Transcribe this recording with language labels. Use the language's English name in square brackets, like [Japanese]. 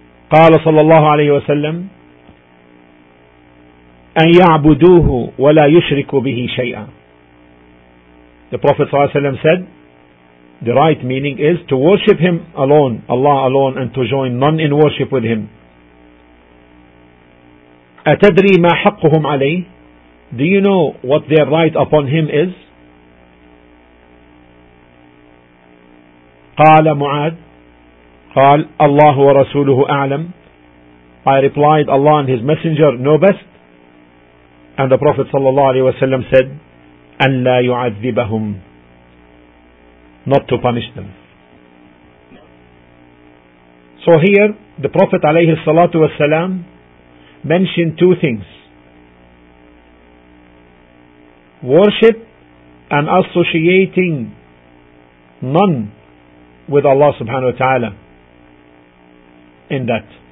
[Arabic] قال صلى الله عليه وسلم أن يعبدوه ولا يشرك به شيئا. [English] The Prophet صلى الله عليه وسلم said, the right meaning is to worship him alone, Allah alone, and to join none in worship with him. [Arabic] أتدري ما حقهم عليه. [English] Do you know what their right upon him is? [Arabic] قال معاذ قال الله ورسوله أعلم. [English] I replied, Allah and His Messenger know best. And the Prophet sallallahu alaihi wasallam said, [Arabic] أن لا يعذبهم, [English] not to punish them. So here the Prophet alayhi salatu wasallam mentioned two things: worship and associating none with Allah subhanahu wa ta'ala in that.